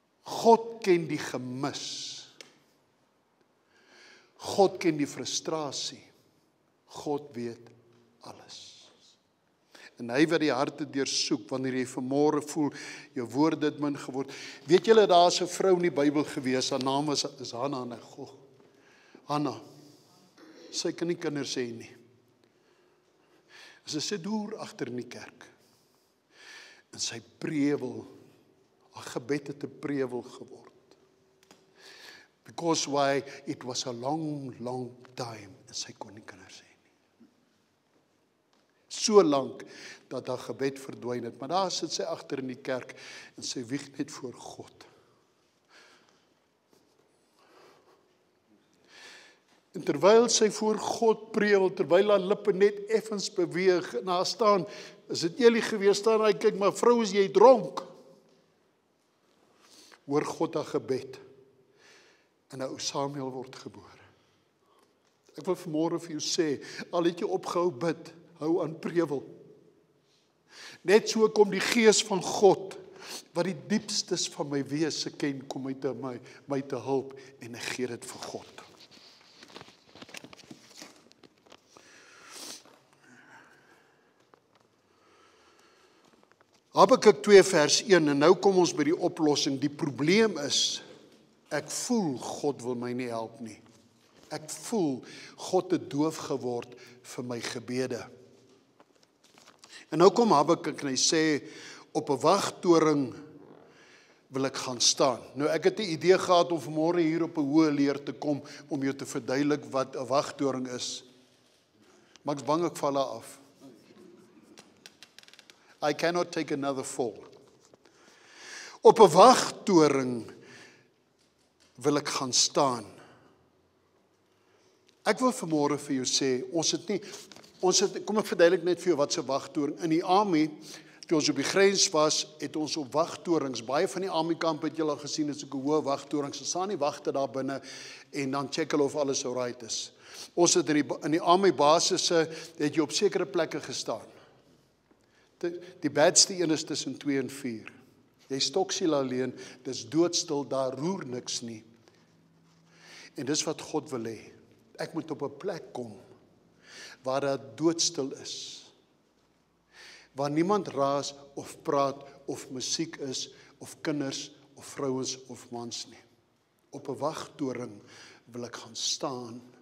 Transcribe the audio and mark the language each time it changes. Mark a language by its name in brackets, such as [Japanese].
[Afrikaans] God ken die gemis. God ken die frustrasie. God weet alles. En hy wat die harte deursoek, wanneer jy vanmôre voel, jou woord het min geword. Weet julle, daar is een vrou in die Bybel gewees, haar naam is Hanna. Hanna, sy kan nie kinders sê nie. Sy sit hoer achter in die kerk. En sy prewel, haar gebed het 'n prewel geword. [English] Because why, it was a long, long time, [Afrikaans] en sy kon nie kinders sê. So lang dat haar gebed verdwijn het. Maar daar sit sy achter in die kerk en sy wieg net voor God. En terwyl sy voor God preel, terwyl haar lippe net effens beweeg, en haar staan, is het Eli gewees, staan hy, kyk, maar vrou, is jy dronk? Hoor God haar gebed en haar Samuel word gebore. Ek wil vanmôre vir jou sê, al het jy opgehou bid, hou aan prewel. Net so kom die Gees van God, wat die diepstes van my wese ken, kom uit my te help, en ek gee dit vir God. Habakuk 2 vers 1, en nou kom ons by die oplossing. Die probleem is, ek voel God wil my nie help nie. Ek voel God het doof geword vir my gebede. En nou kom Habakuk en hy sê, op een wagtoring wil ek gaan staan. Nou ek het die idee gehad om vanmorgen hier op een hoë leer te kom, om jou te verduidelik wat een wagtoring is. Maar ek is bang, ek val daar af. [English] I cannot take another fall. [Afrikaans] Op een wagtoring wil ek gaan staan. Ek wil vanmorgen vir jou sê, ons het nie... kom ek verduidelik net vir jou wat se wagtoring. In die army, toe ons op die grens was, het ons op wagtorings, baie van die army kamp het julle al gesien, het is ook een hoë wagtoring, so staan die wagte daar binnen, en dan check hulle of alles alright is. Ons het in die army basis, het jy op sekere plekke gestaan. Die bedste een is tussen 2 en 4. Jy stoksiel alleen, dis doodstil, daar roer niks nie. En dis wat God wil hê. Ek moet op een plek komen waar dat doodstil is. Waar niemand raas of praat of muziek is of kinders of vrouwens of mans nie. Op een wachttoring wil ik gaan staan.